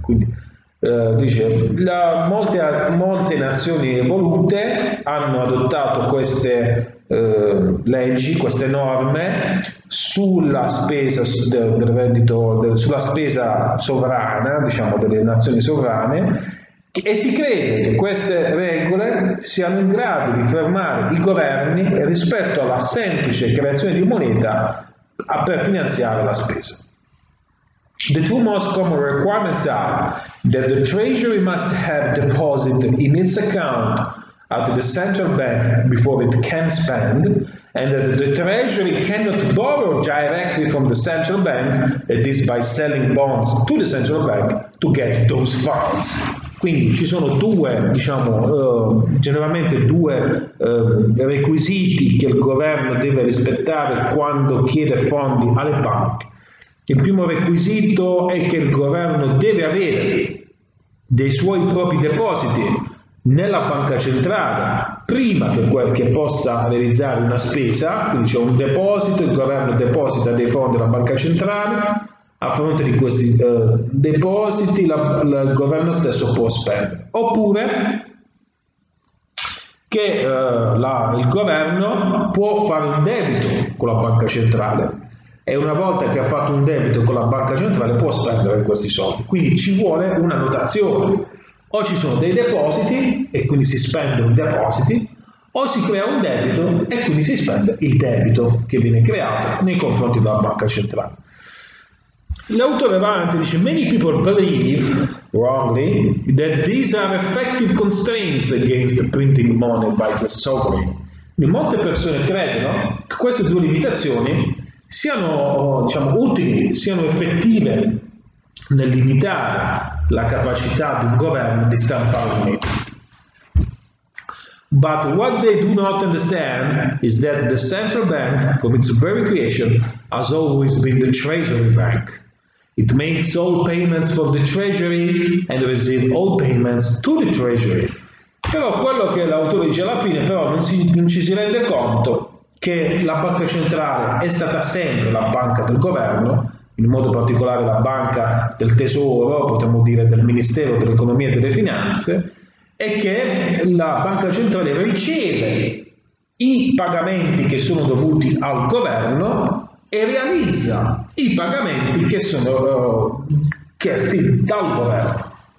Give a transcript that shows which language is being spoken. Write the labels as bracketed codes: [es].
[it] Quindi, dice, molte nazioni evolute hanno adottato queste leggi, queste norme sulla spesa del reddito, sulla spesa sovrana, diciamo, delle nazioni sovrane. E si crede che queste regole siano in grado di fermare i governi rispetto alla semplice creazione di moneta per finanziare la spesa. [en] "The two most common requirements are that the Treasury must have deposited in its account at the central bank before it can spend, and that the Treasury cannot borrow directly from the central bank, that is by selling bonds to the central bank to get those funds." [it] Quindi ci sono due, diciamo, generalmente due requisiti che il governo deve rispettare quando chiede fondi alle banche. Il primo requisito è che il governo deve avere dei suoi propri depositi nella banca centrale prima che possa realizzare una spesa. Quindi c'è un deposito, il governo deposita dei fondi alla banca centrale. A fronte di questi depositi, il governo stesso può spendere. Oppure che il governo può fare un debito con la banca centrale, e una volta che ha fatto un debito con la banca centrale può spendere questi soldi. Quindi ci vuole una notazione: o ci sono dei depositi e quindi si spendono i depositi, o si crea un debito e quindi si spende il debito che viene creato nei confronti della banca centrale. L'autore va avanti e dice: [en] "Many people believe, wrongly, that these are effective constraints against printing money by the sovereign." [it] Molte persone credono che queste due limitazioni siano, diciamo, utili, siano effettive nel limitare la capacità di un governo di stampare moneta. [en] "But what they do not understand is that the central bank, from its very creation, has always been the treasury bank. It makes all payments for the treasury and receives all payments to the treasury." [it] Però quello che l'autore dice alla fine, però, non ci si rende conto che la banca centrale è stata sempre la banca del governo, in modo particolare la banca del tesoro, potremmo dire del Ministero dell'Economia e delle Finanze, e che la banca centrale riceve i pagamenti che sono dovuti al governo e realizza i pagamenti che sono chiesti dal governo.